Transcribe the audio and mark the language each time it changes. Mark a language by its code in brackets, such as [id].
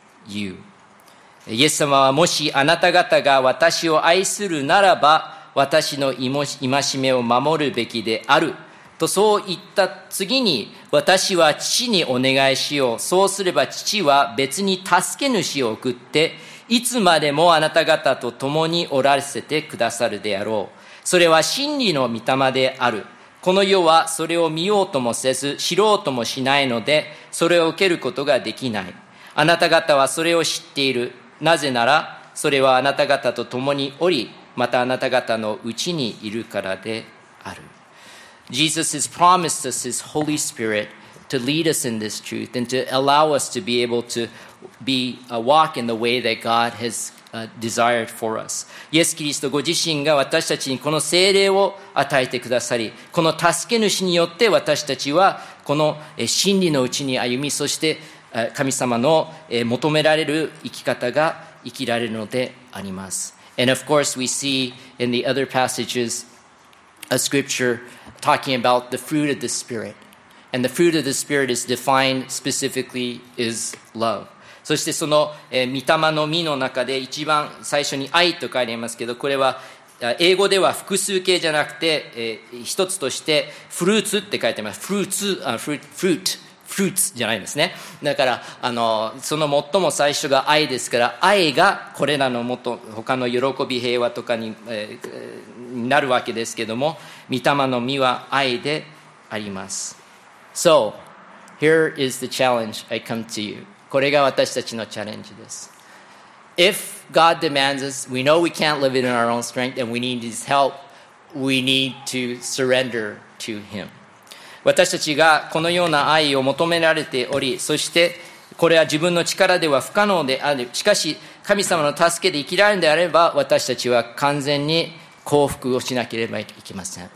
[en] You. [ja] イエス様はもしあなた方が私を愛するならば私の戒めを守るべきであるとそう言った次に私は父にお願いしようそうすれば父は別に助け主を送っていつまでもあなた方と共におらせてくださるであろうそれは真理の御霊であるこの世はそれを見ようともせず知ろうともしないのでそれを受けることができないあなた方はそれを知っている。なぜなら、それはあなた方と共におり、またあなた方のうちにいるからである。 [en] Jesus has promised us his Holy Spirit to lead us in this truth and to allow us to be able to be a walk in the way that God has desired for us. [ja] イエス・キリストご自身が私たちにこの聖霊を与えてくださり、この助け主によって私たちはこの真理のうちに歩み、そして神様の求められる生き方が生きられるのであります。 [en] And of course we see in the other passages a scripture talking about the fruit of the Spirit. And the fruit of the Spirit is defined specifically is love. [ja] そしてその御霊の実の中で一番最初に愛と書いてありますけど、これは英語では複数形じゃなくて一つとしてフルーツって書いてます。フルーツ。Fruits じゃないんですね。だからその最も最初が愛ですから、愛がこれらのもと他の喜び平和とかに、なるわけですけども、御霊の実は愛であります。 [en] So, here is the challenge I come to you. [ja] これが私たちのチャレンジです。 [en] If God demands us, we know we can't live it in our own strength and we need His help, we need to surrender to Him. [ja] 私たちがこのような愛を求められており、そしてこれは自分の力では不可能である。しかし神様の助けで生きられるのであれば、私たちは完全に降伏をしなければいけません。